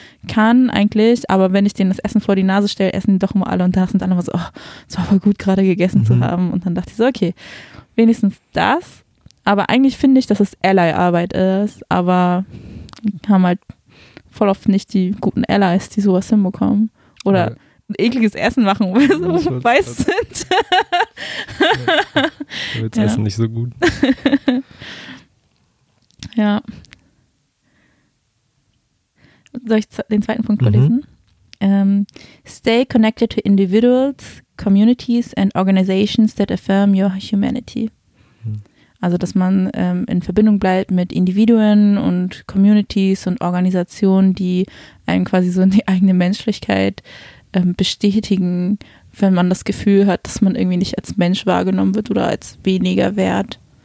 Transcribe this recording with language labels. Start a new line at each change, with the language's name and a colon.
German: kann eigentlich, aber wenn ich denen das Essen vor die Nase stelle, essen die doch immer alle und da sind alle immer so, oh, es war voll gut, gerade gegessen zu haben und dann dachte ich so, okay, wenigstens das, aber eigentlich finde ich, dass es Ally-Arbeit ist, aber haben halt voll oft nicht die guten Allies, die sowas hinbekommen. Oder ja. Ekliges Essen machen, weil sie so weiß sind. Jetzt ja. Essen nicht so gut. Ja. Soll ich den zweiten Punkt vorlesen?
English: Stay connected to individuals, communities and organizations that affirm your humanity.
German: Also, dass man in Verbindung bleibt mit Individuen und Communities und Organisationen, die einem quasi so in die eigene Menschlichkeit bestätigen, wenn man das Gefühl hat, dass man irgendwie nicht als Mensch wahrgenommen wird oder als weniger wert.